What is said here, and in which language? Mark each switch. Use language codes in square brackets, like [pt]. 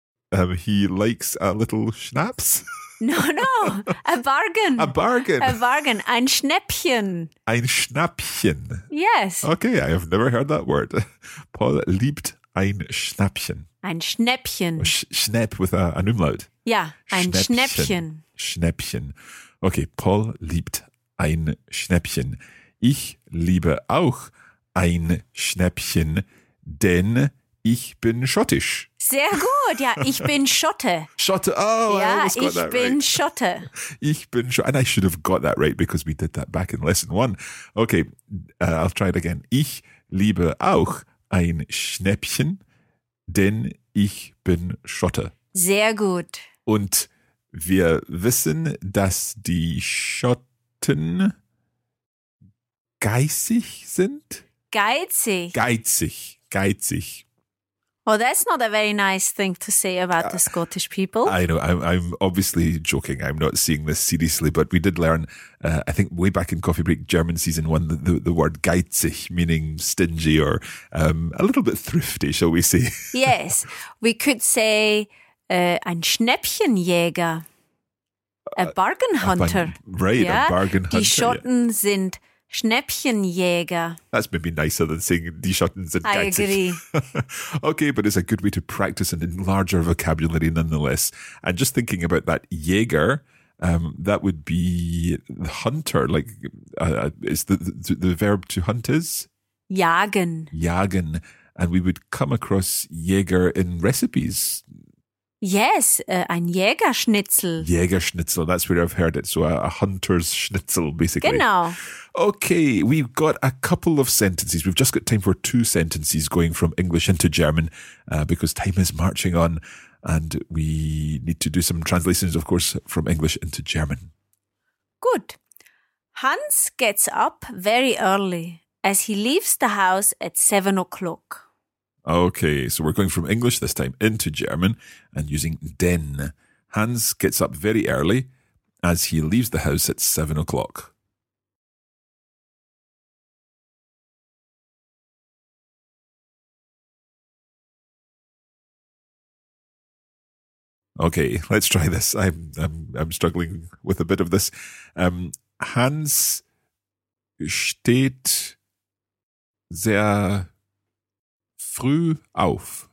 [en] He likes a little schnapps? No, a bargain. A bargain. A bargain, ein Schnäppchen. [de] Ein Schnäppchen. [en] Yes. Okay, I have never heard that word. [de] Paul liebt ein Schnäppchen. Ein Schnäppchen. [en] Schnäpp with an umlaut. [de] Ja, ein Schnäppchen. Schnäppchen. Okay, Paul liebt ein Schnäppchen. Ich liebe auch ein Schnäppchen, denn ich bin schottisch. Sehr gut, ja, ich bin Schotte. Schotte, oh, [en] I almost got [de] ich [en] that [de] bin [en] right. [de] Schotte. Ich bin Schotte. [en] And I should have got that right because we did that back in lesson one. Okay, I'll try it again. [de] Ich liebe auch ein Schnäppchen, denn ich bin Schotte. Sehr gut. Und wir wissen, dass die Schotten geizig sind. Geizig. Geizig. Geizig. [en] Well, that's not a very nice thing to say about the Scottish people. I know. I'm obviously joking. I'm not seeing this seriously, but we did learn, I think way back in Coffee Break German season one, the word geizig, meaning stingy or a little bit thrifty, shall we say? Yes. We could say ein Schnäppchenjäger, a bargain hunter. A bargain hunter. [de] Die Schotten sind Schnäppchenjäger. [en] That's maybe nicer than saying [de] die Schotten sind geizig. [en] I agree. Okay, but it's a good way to practice and enlarge our vocabulary nonetheless. And just thinking about that Jäger, that would be the hunter. Like, is the verb to hunt is? [de] Jagen. Jagen. [en] And we would come across Jäger in recipes. [de] Yes, ein Jägerschnitzel. [en] Jägerschnitzel, that's where I've heard it. So a hunter's schnitzel, basically. [de] Genau. [en] Okay, we've got a couple of sentences. We've just got time for two sentences going from English into German because time is marching on and we need to do some translations, of course, from English into German. Good. Hans gets up very early as he leaves the house at 7 o'clock. Okay, so we're going from English this time into German and using den. Hans gets up very early as he leaves the house at 7 o'clock. Okay, let's try this. I'm struggling with a bit of this. [de] Hans steht sehr früh auf.